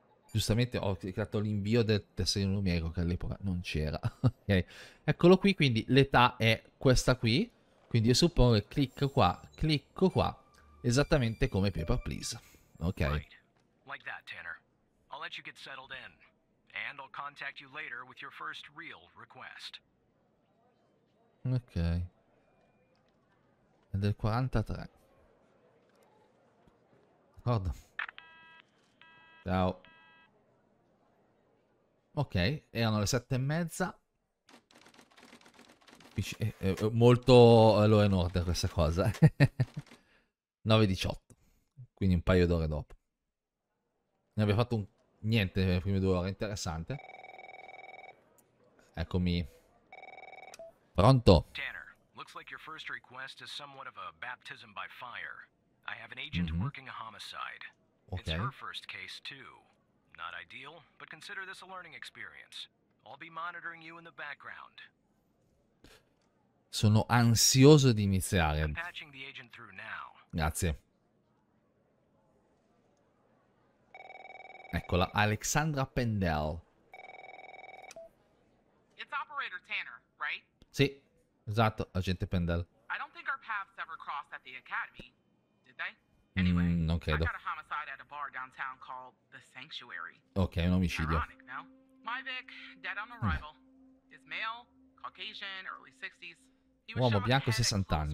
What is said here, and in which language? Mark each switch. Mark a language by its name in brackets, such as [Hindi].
[Italian] Giustamente ho creato l'invio del tesserino numerico, che all'epoca non c'era. Okay. Eccolo qui, quindi l'età è questa qui. Quindi io suppongo che clicco qua, esattamente come Paper Please. Ok. [English] Like that, Tanner. I'll let you get settled in. And I'll contact you later with your first real request. [Italian] Ok. È del 43. D'accordo. Ciao. Ok, erano le 7:30. Molto Law and Order questa cosa. 9:18, quindi un paio d'ore dopo. Ne abbiamo fatto niente nelle prime 2 ore, interessante. Eccomi. Pronto? [English] Tanner, looks like your first request is somewhat of a baptism by fire. I have an agent working a homicide. It's her first case, too. Not ideal, but consider this a learning experience. I'll be monitoring you in the background. [Italian] Sono ansioso di iniziare. [English] I'm patching the agent through now. [Italian] Grazie. Eccola, Alexandra Pendel. [English] It's operator Tanner, right? [Italian] Sì, esatto, agente Pendel. [English] I don't think our paths ever crossed at the academy, did they? Anyway, [Italian] non credo. [English] I got a homicide at a bar downtown called The Sanctuary. [Italian] Ok, un omicidio. [English] Ironic, no? My Vic, dead on arrival. Is male, Caucasian, early 60s. He was [Italian] uomo bianco, 60 anni.